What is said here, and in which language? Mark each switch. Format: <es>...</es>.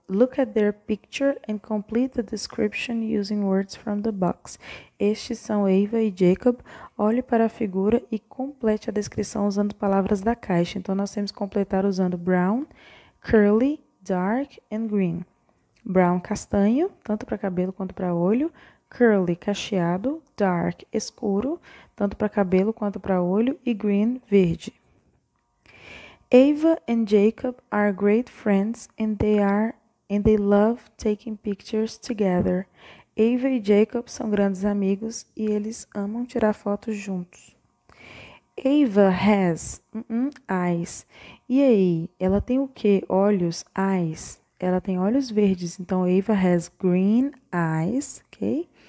<en>Look at their picture and complete the description using words from the box.</en> <pt>Estes são Ava e Jacob. Olhe para a figura e complete a descrição usando palavras da caixa. Então, nós temos que completar usando brown, curly, dark and green. Brown, castanho, tanto para cabelo quanto para olho. Curly, cacheado. Dark, escuro, tanto para cabelo quanto para olho. E green, verde.</pt> <en>Ava and Jacob are great friends and they love taking pictures together.</en> <pt>Ava e Jacob são grandes amigos e eles amam tirar fotos juntos.</pt> <en>Ava has eyes.</en> <pt>E aí, ela tem o quê? Olhos, eyes. Ela tem olhos verdes, então</pt> <en>Ava has green eyes,</en> <pt>ok?</pt>